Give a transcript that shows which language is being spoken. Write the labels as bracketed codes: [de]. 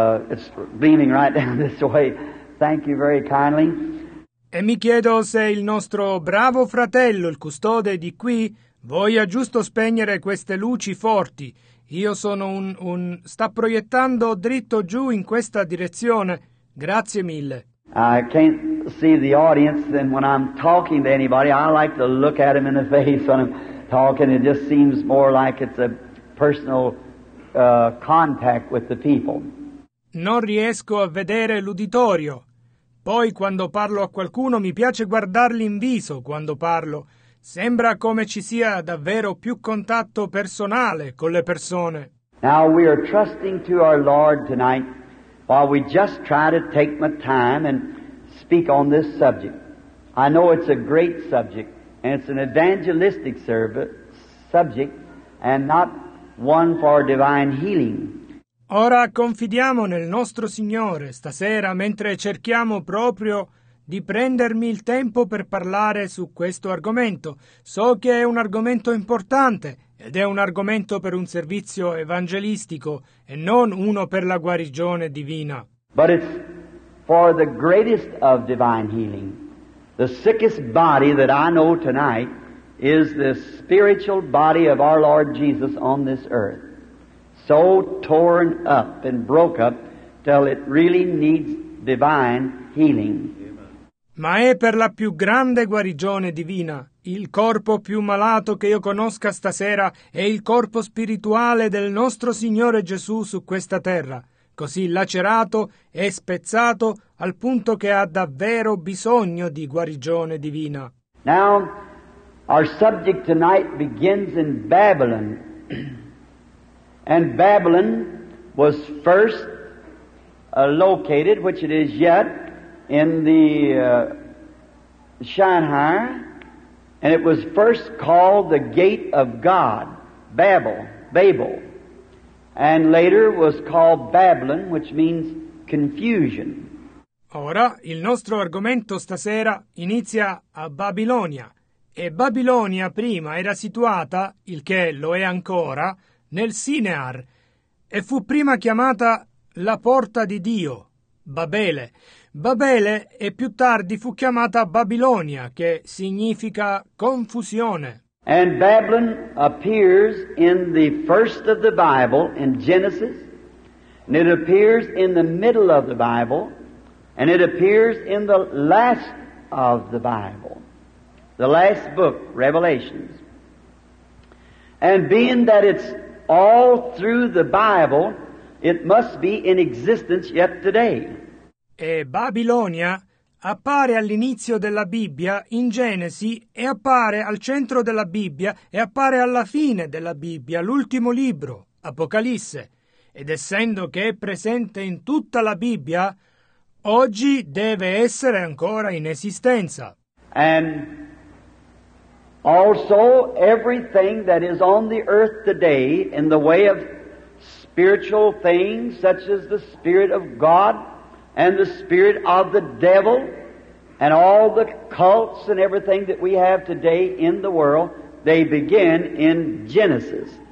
[en] It's beaming right down this way. Thank you very kindly. [it] E mi chiedo se il nostro bravo fratello, il custode di qui, voglia giusto spegnere queste luci forti. Io sono un sta proiettando dritto giù in questa direzione. Grazie mille. [en] I can't see the audience, and when I'm talking to anybody, I like to look at them in the face when I'm talking. It just seems more like it's a personal contact with the people. [it] Non riesco a vedere l'uditorio. Poi, quando parlo a qualcuno, mi piace guardarli in viso quando parlo. Sembra come ci sia davvero più contatto personale con le persone. [en] Now we are trusting to our Lord tonight, while we just try to take my time and speak on this subject. I know it's a great subject, and it's an evangelistic subject, and not one for divine healing. [it] Ora confidiamo nel nostro Signore stasera mentre cerchiamo proprio di prendermi il tempo per parlare su questo argomento. So che è un argomento importante ed è un argomento per un servizio evangelistico e non uno per la guarigione divina. [en] But it's for the greatest of divine healing. The sickest body that I know tonight is the spiritual body of our Lord Jesus on this earth. So torn up and broke up till it really needs divine healing. [it] Ma è per la più grande guarigione divina. Il corpo più malato che io conosca stasera è il corpo spirituale del nostro Signore Gesù su questa terra, così lacerato e spezzato al punto che ha davvero bisogno di guarigione divina. [en] Now, our subject tonight begins in Babylon. And Babylon was first located, which it is yet, in the Shinar, and it was first called the Gate of God, Babel, and later was called Babylon, which means confusion. [it] Ora, il nostro argomento stasera inizia a Babilonia, e Babilonia prima era situata, il che lo è ancora, nel Sinear, e fu prima chiamata la porta di Dio, Babele. Babele e più tardi fu chiamata Babilonia, che significa confusione. [en] And Babylon appears in the first of the Bible, in Genesis, and it appears in the middle of the Bible, and it appears in the last of the Bible, the last book, Revelations. And being that it's all through the Bible, it must be in existence yet today. [it] E Babilonia appare all'inizio della Bibbia, in Genesi, e appare al centro della Bibbia, e appare alla fine della Bibbia, l'ultimo libro, Apocalisse. Ed essendo che è presente in tutta la Bibbia, oggi deve essere ancora in esistenza. [en] And also everything that is on the earth today in the way of spiritual things, such as the Spirit of God and the spirit of the devil and all the cults and everything that we have today in the world, they begin in Genesis.